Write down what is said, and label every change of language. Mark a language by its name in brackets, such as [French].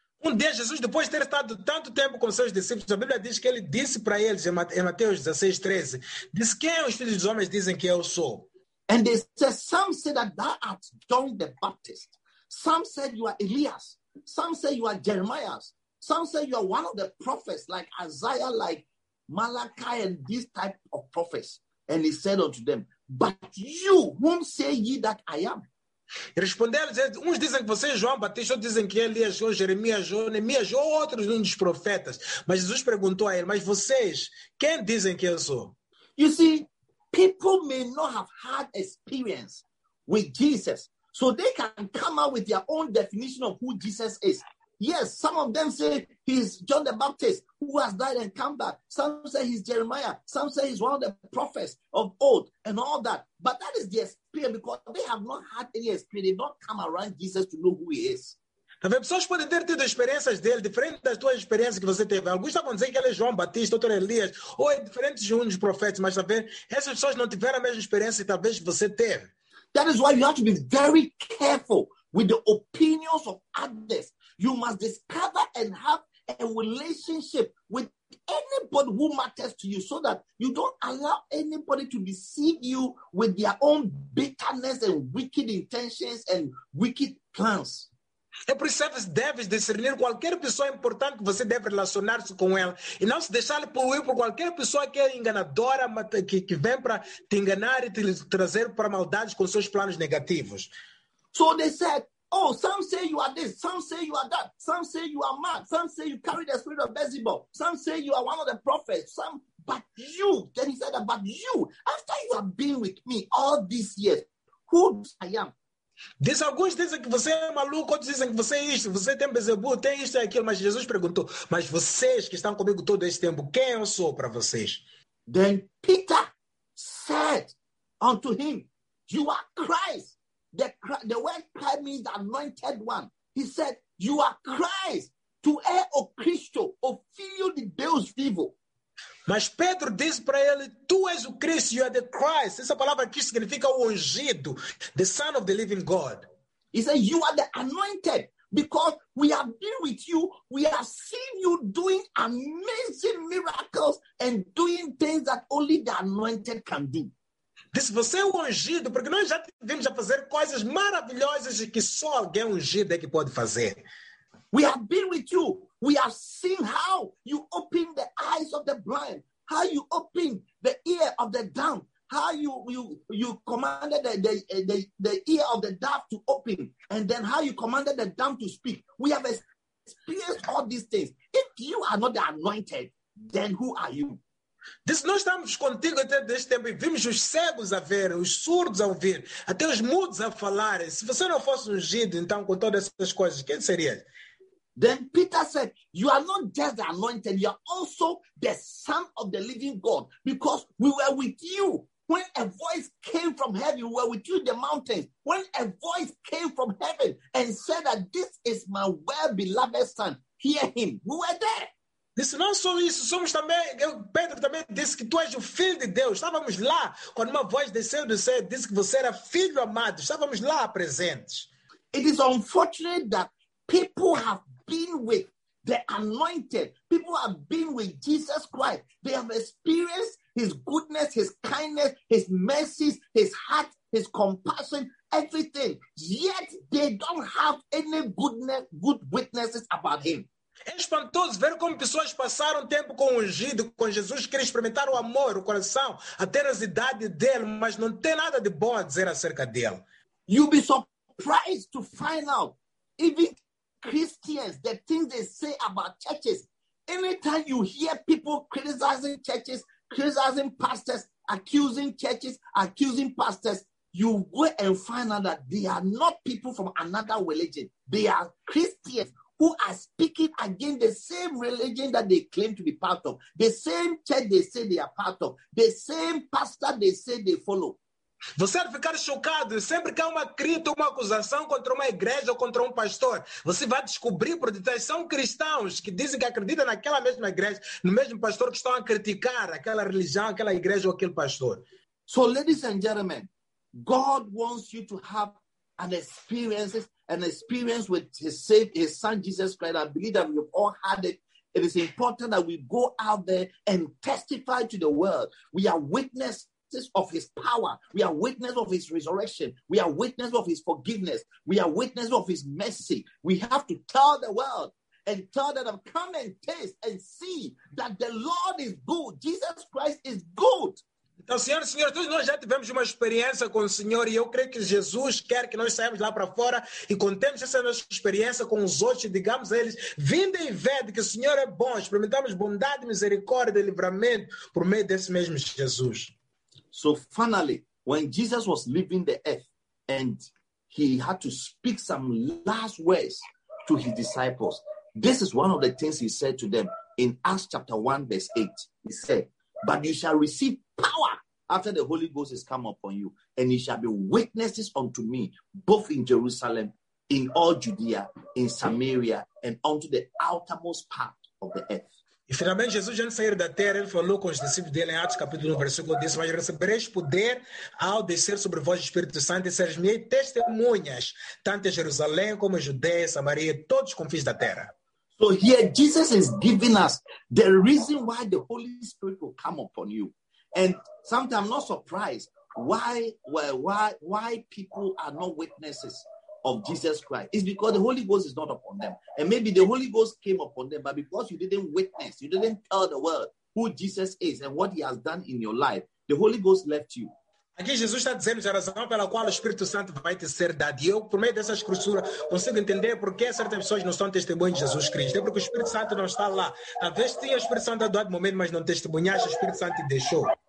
[Portuguese] Um dia, Jesus, depois de ter estado tanto tempo com seus discípulos, a Bíblia diz que ele disse para eles, em Mateus 16, 13, disse, quem é os filhos dos homens dizem que eu sou? [English] And they said, some said that thou art John the Baptist. Some said you are Elias. Some said you are Jeremiah. Some said you are one of the prophets, like Isaiah, like Malachi, and this type of prophets. And he said unto them, but you, whom say ye that I am? [Portuguese] E responderam-lhe, uns dizem que você é João Batista, outros dizem que é Elias, ou Jeremias, ou Neemias, ou outros um dos profetas. Mas Jesus perguntou a ele, mas vocês, quem dizem que eu sou? [English] You see, people may not have had experience with Jesus, so they can come out with their own definition of who Jesus is. Yes, some of them say he's John the Baptist, who has died and come back. Some say he's Jeremiah. Some say he's one of the prophets of old and all that. But that is the experience because they have not had any experience. They don't come around Jesus to know who he is. [Portuguese] As pessoas podem ter tido experiências dele, diferentes das tuas experiências que você teve. Alguns estavam dizendo que ele é João Batista, outro Elias, ou é diferente de um dos profetas, mas talvez essas pessoas não tiveram a mesma experiência que talvez você teve. [English] That is why you have to be very careful with the opinions of others. You must discover and have a relationship with anybody who matters to you so that you don't allow anybody to deceive you with their own bitterness and wicked intentions and wicked plans. [Portuguese] É por isso que deve discernir qualquer pessoa importante que você deve relacionar-se com ela e não se deixar poluir por qualquer pessoa que é enganadora, que vem para te enganar e te trazer para maldades com seus planos negativos. [English] So they said, oh, some say you are this, some say you are that, some say you are mad, some say you carry the spirit of Beelzebub, some say you are one of the prophets, some, but you, then he said, but you, after you have been with me all these years, who I am? [Portuguese] Diz, alguns dizem que você é maluco, outros dizem que você é isto, você tem Beelzebub, tem isto e aquilo, mas Jesus perguntou, mas vocês que estão comigo todo esse tempo, quem eu sou para vocês? [English] Then Peter said unto him, You are Christ. The word Christ means the anointed one. He said, you are Christ. [Portuguese] Tu es o Cristo, o filho de Deus vivo. Mas Pedro diz para ele, tu és o Cristo, [English] you are the Christ. [Portuguese] Essa palavra aqui significa o ungido, [English] the son of the living God. He said, you are the anointed. Because we have been with you, we have seen you doing amazing miracles and doing things that only the anointed can do. [Portuguese] Diz, você é ungido, porque nós já tivemos a fazer coisas maravilhosas que só alguém ungido é que pode fazer. [English] We have been with you. We have seen how you open the eyes of the blind, how you open the ear of the dumb, how you commanded the ear of the deaf to open, and then how you commanded the dumb to speak. We have experienced all these things. If you are not the anointed, then who are you? [Portuguese] Diz, nós estamos contigo até deste tempo e vimos os cegos a ver, os surdos a ouvir, até os mudos a falar. Se você não fosse ungido, então, com todas essas coisas, quem seria? [English] Then Peter said, you are not just the anointed, you are also the son of the living God, because we were with you when a voice came from heaven, we were with you in the mountains, when a voice came from heaven and said that this is my well-beloved son, hear him, we were there. [Portuguese] Disse, não só isso, somos também, Pedro também disse que tu és o filho de Deus, estávamos lá, quando uma voz desceu do céu, disse que você era filho amado, estávamos lá presentes. [English] It is unfortunate that people have been with the anointed. People have been with Jesus Christ. They have experienced his goodness, his kindness, his mercies, his heart, his compassion, everything. Yet they don't have any goodness, good witnesses about him. [Portuguese] É espantoso ver como pessoas passaram tempo com o ungido, com Jesus Cristo, experimentaram o amor, o coração, a tenacidade dele, mas não tem nada de bom a dizer acerca dele. [English] You'll be surprised to find out, even Christians, the things they say about churches. Anytime you hear people criticizing churches, criticizing pastors, accusing churches, accusing pastors, you go and find out that they are not people from another religion. They are Christians who are speaking against the same religion that they claim to be part of, the same church they say they are part of, the same pastor they say they follow. [Portuguese] Você vai ficar chocado. Sempre que há uma crítica, uma acusação contra uma igreja ou contra um pastor, você vai descobrir por detrás. São cristãos que dizem que acreditam naquela mesma igreja, no mesmo pastor que estão a criticar aquela religião, aquela igreja ou aquele pastor. [English] So, ladies and gentlemen, God wants you to have an experience with his son Jesus Christ. I believe that we've all had it. It is important that we go out there and testify to the world. We are witnesses of his power. We are witness of his resurrection. We are witness of his forgiveness. We are witness of his mercy. We have to tell the world and tell them, come and taste and see that the Lord is good. Jesus Christ is good. [Portuguese] Então, senhoras e senhores, todos nós já tivemos uma experiência com o Senhor e eu creio que Jesus quer que nós saímos lá para fora e contemos essa nossa experiência com os outros e digamos a eles, vinde e vede que o Senhor é bom. Experimentamos bondade, misericórdia e livramento por meio desse mesmo Jesus. [English] So finally, when Jesus was leaving the earth and he had to speak some last words to his disciples, this is one of the things he said to them in Acts chapter 1, verse 8. He said, but you shall receive power after the Holy Ghost has come upon you, and you shall be witnesses unto me, both in Jerusalem, in all Judea, in Samaria, and unto the outermost part of the earth. [Portuguese] E finalmente Jesus, antes de sair da terra, ele falou com os discípulos dele em Atos capítulo 1, versículo 10, mas recebereis poder ao descer sobre vós o Espírito Santo e sereis minhas testemunhas, tanto em Jerusalém como em Judeia, Samaria, todos os confins da terra. [English] So here Jesus is giving us the reason why the Holy Spirit will come upon you. And sometimes I'm not surprised why people are not witnesses of Jesus Christ. It's because the Holy Ghost is not upon them. And maybe the Holy Ghost came upon them, but because you didn't witness, you didn't tell the world who Jesus is and what he has done in your life, the Holy Ghost left you. [Portuguese] Aqui Jesus está dizendo a razão pela qual o Espírito Santo vai te ser dado. E eu, por meio dessa escritura, consigo entender por que certas pessoas não são testemunhas de Jesus Cristo. É porque o Espírito Santo não está lá. Talvez tinha o Espírito Santo a dado momento, mas não testemunhaste, o Espírito Santo te deixou.